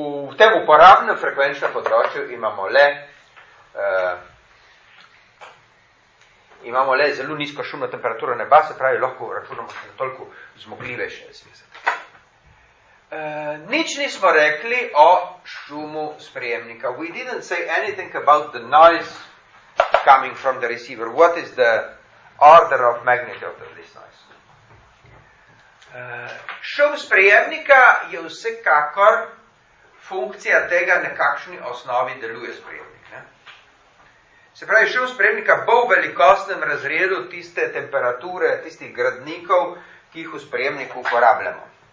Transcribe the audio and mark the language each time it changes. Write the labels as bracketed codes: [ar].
[sl] V tem uporabnem frekvenčnem področju imamo le zelo nizko šumno temperaturo neba, se pravi, lahko računamo še na toliko zmogljivejše zvezde. Nič nismo rekli o šumu sprejemnika. [en] We didn't say anything about the noise coming from the receiver. What is the order of magnitude of this noise? [sl] Šum sprejemnika je vsekakor funkcija tega, na kakšni osnovi deluje sprejemnik. Se pravi, šum sprejemnika bo v velikostnem razredu tiste temperature, tistih gradnikov, ki jih v sprejemniku uporabljamo.